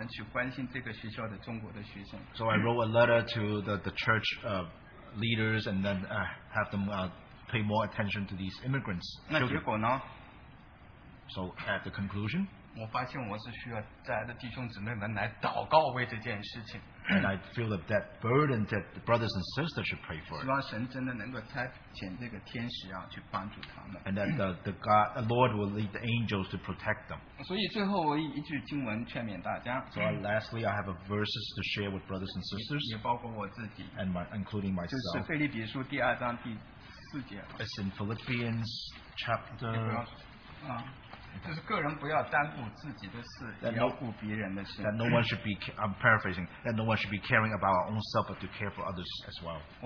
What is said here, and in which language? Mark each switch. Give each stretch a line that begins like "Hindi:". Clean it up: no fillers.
Chinese: 那所以呢，我就找了三家教会，给他们的教会长老写信，要他们去关心这个学校的中国的学生。
English: So I wrote a letter to the church leaders and then have them pay more attention to these immigrants.
Chinese: 那结果呢？
English: So at the conclusion,
Chinese: 我发现我是需要在的弟兄姊妹们来祷告为这件事情。
English: And I feel that that burden that the brothers and sisters should pray for.
Chinese: 希望神真的能够差遣这个天使啊去帮助他们。
English: And that the God, the Lord will lead the angels to protect them.
Chinese: 所以最后我一句经文劝勉大家。
English: So lastly, I have a verses to share with brothers and sisters.
Chinese: 也包括我自己。
English: And including myself.
Chinese: 就是腓立比书第二章第四节。
English: It's in Philippians chapter.
Chinese: 就是个人不要担负自己的事，也要顾别人的事。
English: That no one should be, I'm paraphrasing, that no one should be caring about our own self, but to care for others as well.